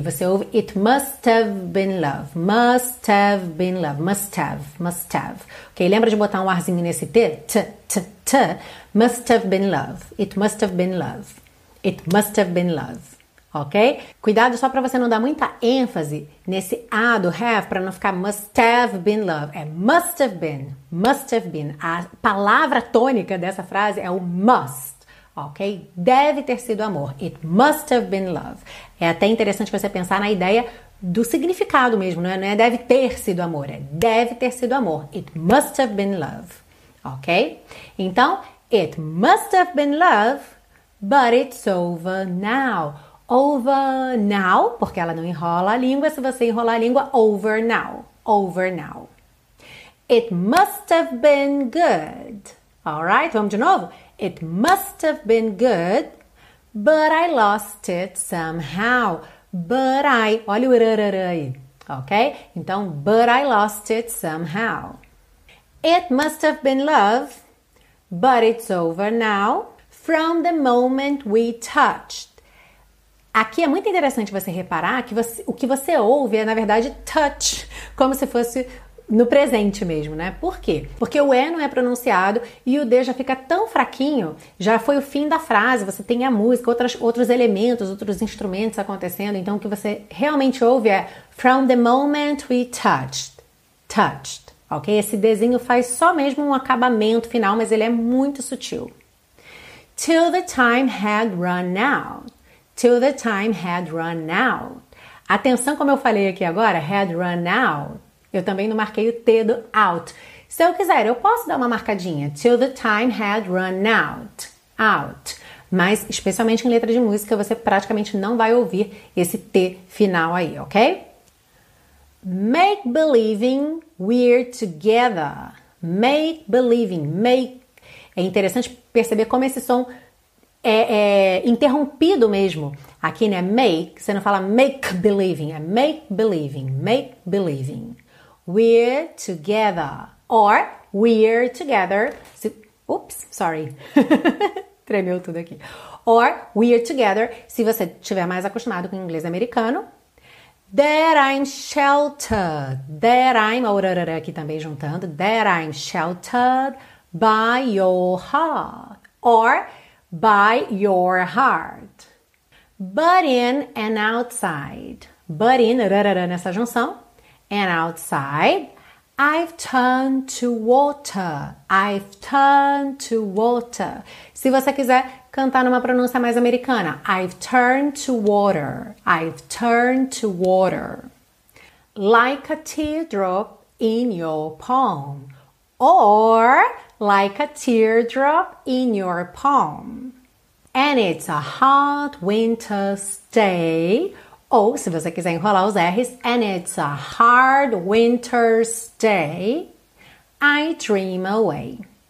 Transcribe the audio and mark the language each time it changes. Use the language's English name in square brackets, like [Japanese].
[Portuguese] Você ouve [English] it must have been love. Must have been love. Must have. Must have. Ok? [Portuguese] Lembra de botar um arzinho nesse T? [English] T, T, T. Must have been love. It must have been love. It must have been love. Ok? [Portuguese] Cuidado só para você não dar muita ênfase nesse A do have, para não ficar [English] must have been love. É must have been, must have been. [Portuguese] A palavra tônica dessa frase é o must, ok? Deve ter sido amor. [English] It must have been love. [Portuguese] É até interessante você pensar na ideia do significado mesmo, não é? Não é deve ter sido amor, é deve ter sido amor. [English] It must have been love, ok? Então, it must have been love, but it's over now. Over now, [Portuguese] porque ela não enrola a língua. Se você enrolar a língua, [English] over now. Over now. It must have been good. Alright, [Portuguese] vamos de novo? [English] It must have been good, But I lost it somehow. But I. [Portuguese] Olha o rararã aí, [English] ok? Então, but I lost it somehow. It must have been love, but it's over now. From the moment we touched. [Portuguese] Aqui é muito interessante você reparar que o que você ouve é, na verdade, touch, como se fosse no presente mesmo, né? Por quê? Porque o E não é pronunciado e o D já fica tão fraquinho, já foi o fim da frase, você tem a música, outros elementos, outros instrumentos acontecendo, então o que você realmente ouve é [English] from the moment we touched. [Portuguese] Touched. Ok? Esse Dzinho faz só mesmo um acabamento final, mas ele é muito sutil. [English] Till the time had run out. Till the time had run out. [Portuguese] Atenção, como eu falei aqui agora, [English] had run out. [Portuguese] Eu também não marquei o T do out. Se eu quiser, eu posso dar uma marcadinha. [English] Till the time had run out. Out. [Portuguese] Mas, especialmente em letra de música, você praticamente não vai ouvir esse T final aí, ok? [English] Make believing we're together. Make believing. Make. [Portuguese] É interessante perceber como esse som é interrompido mesmo. Aqui, né? Make. Você não fala [English] make believing. É make believing. Make believing. We're together. Or we're together. Ups, sorry. [Portuguese] Tremeu tudo aqui. [English] Or we're together. [Portuguese] Se você estiver mais acostumado com o inglês americano. [English] That I'm sheltered. That I'm. [Portuguese] A urarara aqui também juntando. [English] That I'm sheltered by your heart. Or by your heart. But in and outside. But in, [Portuguese] urarara nessa junção. [English] And outside, I've turned to water. I've turned to water. [Portuguese] Se você quiser cantar numa pronúncia mais americana, [English] I've turned to water. I've turned to water. Like a teardrop in your palm. Or like a teardrop in your palm. And it's a hot winter's day. [Portuguese] Ou, se você quiser enrolar os R's, [English] and it's a hard winter's day, I dream away.